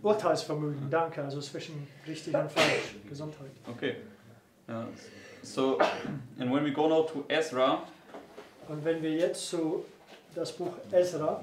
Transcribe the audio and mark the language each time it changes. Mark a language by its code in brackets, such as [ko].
[de] Urteilsvermögen, danke, also zwischen richtig und falsch, Gesundheit. [en] Okay. Yeah. So and when we go now to Ezra. [de] Und wenn wir jetzt zu das Buch Ezra